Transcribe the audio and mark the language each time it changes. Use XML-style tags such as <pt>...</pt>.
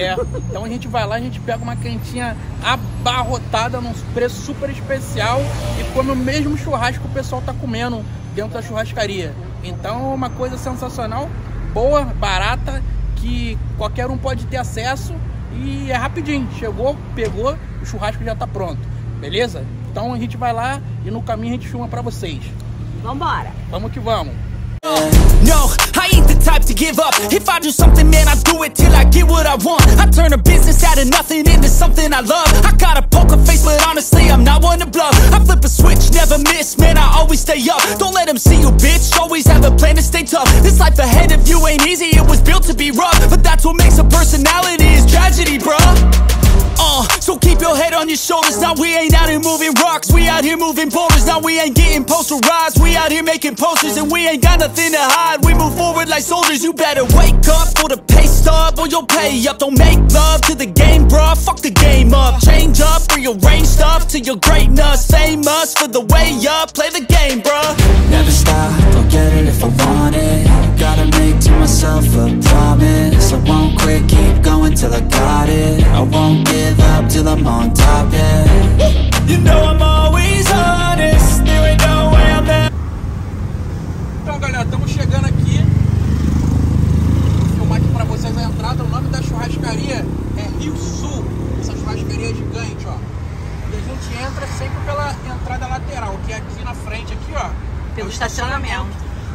<pt>É, então a gente vai lá, a gente pega uma quentinha abarrotada num preço super especial e come o mesmo churrasco que o pessoal tá comendo dentro da churrascaria. Então é uma coisa sensacional, boa, barata, que qualquer um pode ter acesso e é rapidinho. Chegou, pegou, o churrasco já tá pronto, beleza? Então a gente vai lá e no caminho a gente filma pra vocês. Vambora! Vamos que vamos!</pt> <en>No, I ain't the type to give up. If I do something, man, I do it till I get what I want. I turn a business out of nothing into something I love. I got a poker face, but honestly, I'm not one to bluff. I flip a switch, never miss, man, I always stay up. Don't let them see you, bitch, always have a plan to stay tough. This life ahead of you ain't easy, it was built to be rough. But that's what makes a personality is tragedy, bruh. So keep your head on your shoulders. Now we ain't out here moving rocks, we out here moving boulders. Now we ain't getting posterized, we out here making posters. And we ain't got nothing to hide, we move forward like soldiers. You better wake up for the pay stub or you'll pay up. Don't make love to the game, bruh, fuck the game up. Change up, rearrange stuff to your greatness. Famous for the way up, play the game, bruh. Never stop, don't get it if I want it. Gotta make to myself a promise, I won't quit, keep going till I got it. I won't give up till I'm on top, yeah. You know I'm always honest, there ain't no way I'm there.</en> <pt>Então galera, estamos chegando aqui. Vou filmar aqui pra vocês a entrada. O nome da churrascaria é Rio Sul. Essa churrascaria é gigante, ó. E a gente entra sempre pela entrada lateral, que é aqui na frente, aqui, ó. Pelo estacionamento.</pt>